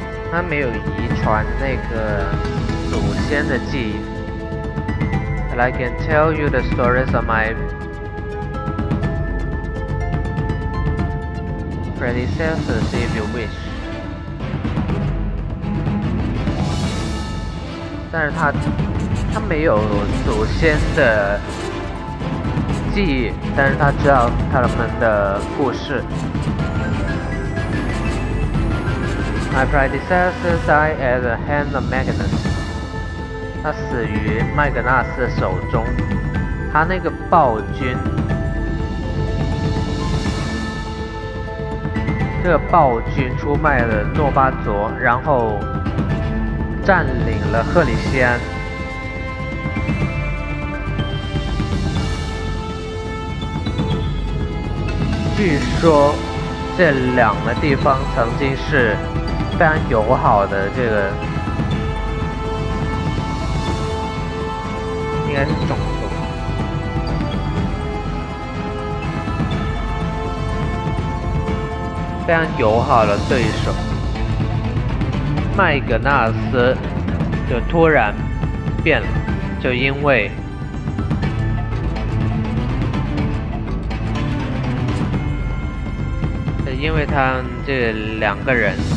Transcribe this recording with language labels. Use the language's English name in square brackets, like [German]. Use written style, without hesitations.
[Chinese] 他没有遗传那个祖先的记忆。 [English] But I can tell you the stories of my predecessors if you wish. [Chinese] 但是他没有祖先的记忆，但是他知道他们的故事。 [English] My predecessor died at the hand of Magnus. [Chinese] 他死于麦格纳斯的手中。他那个暴君，这个暴君出卖了诺巴佐，然后占领了赫里西安。据说这两个地方曾经是非常友好的，这个应该是种族。非常友好的对手麦格纳斯就突然变了，就因为他这两个人